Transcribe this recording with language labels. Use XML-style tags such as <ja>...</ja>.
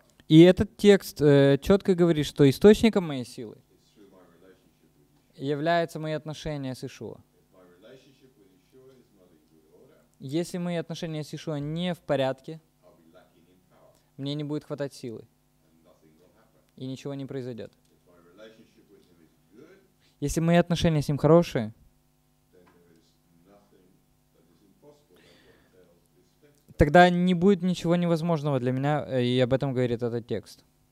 <ru>И этот текст четко говорит, что источником моей силы являются мои отношения с Иешуа. Если мои отношения с Иешуа не в порядке, мне не будет хватать силы, и ничего не произойдет. Если мои отношения с ним хорошие,</ru> <en>then there is nothing that is impossible, that's what it tells this text.</en> <ru>тогда не будет ничего невозможного для меня, и об этом говорит этот текст.</ru>